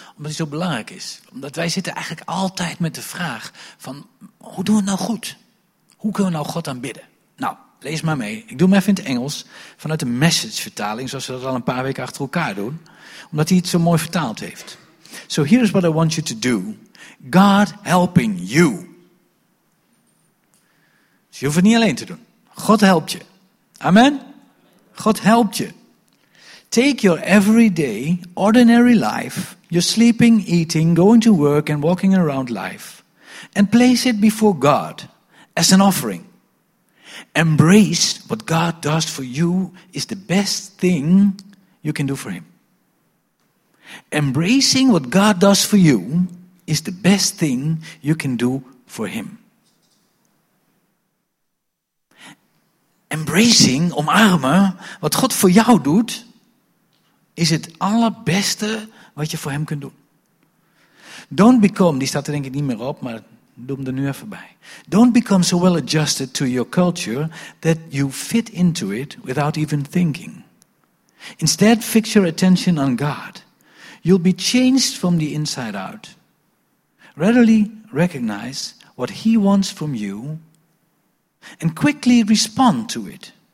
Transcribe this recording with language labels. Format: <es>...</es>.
<nl>Omdat die zo belangrijk is. Omdat wij zitten eigenlijk altijd met de vraag van, hoe doen we het nou goed? Hoe kunnen we nou God aanbidden? Nou, lees maar mee. Ik doe hem even in het Engels. Vanuit de Message vertaling, zoals we dat al een paar weken achter elkaar doen. Omdat hij het zo mooi vertaald heeft.</nl> <en>So here is what I want you to do. God helping you.</en> <nl>Dus je hoeft het niet alleen te doen. God helpt je. Amen. God helpt je.</nl> <en>Take your everyday, ordinary life, your sleeping, eating, going to work and walking around life, and place it before God as an offering. Embrace what God does for you is the best thing you can do for him. Embracing what God does for you is the best thing you can do for him.</en> <nl>Embracing, omarmen, wat God voor jou doet, is het allerbeste wat je voor hem kunt doen.</nl> <en>Don't become,</en> <nl>die staat er denk ik niet meer op, maar doe hem er nu even bij.</nl> <en>Don't become so well adjusted to your culture that you fit into it without even thinking. Instead, fix your attention on God. You'll be changed from the inside out. Readily recognize what he wants from you and quickly respond to it.</en>